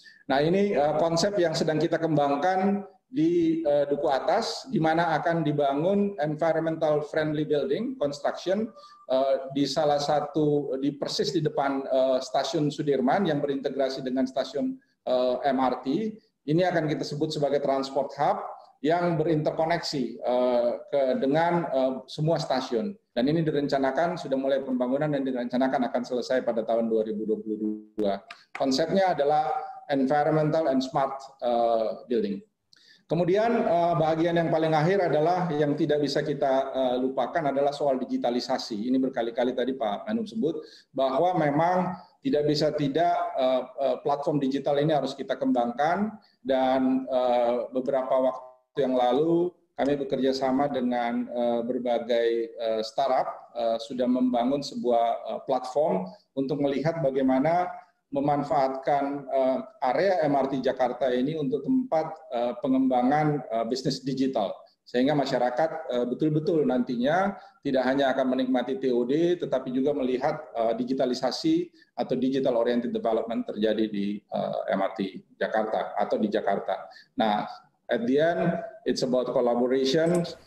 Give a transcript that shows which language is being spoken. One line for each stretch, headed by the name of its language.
Indonesian: Nah, ini konsep yang sedang kita kembangkan di Duku Atas, di mana akan dibangun
English: environmental friendly building construction
Indonesian: di salah satu di persis di depan stasiun Sudirman yang berintegrasi dengan stasiun MRT. Ini akan kita sebut sebagai transport hub yang berinterkoneksi dengan semua stasiun. Dan ini direncanakan sudah mulai pembangunan dan direncanakan akan selesai pada tahun 2022. Konsepnya adalah
English: environmental and smart building.
Indonesian: Kemudian bagian yang paling akhir adalah yang tidak bisa kita lupakan adalah soal digitalisasi. Ini berkali-kali tadi Pak Menum sebut bahwa memang tidak bisa tidak platform digital ini harus kita kembangkan, dan beberapa waktu yang lalu kami bekerja sama dengan berbagai startup sudah membangun sebuah platform untuk melihat bagaimana memanfaatkan area MRT Jakarta ini untuk tempat pengembangan bisnis digital, sehingga masyarakat betul-betul nantinya tidak hanya akan menikmati TOD tetapi juga melihat digitalisasi atau
English: digital oriented development
Indonesian: terjadi di MRT Jakarta atau di Jakarta.
English: Nah, at the end it's about collaboration.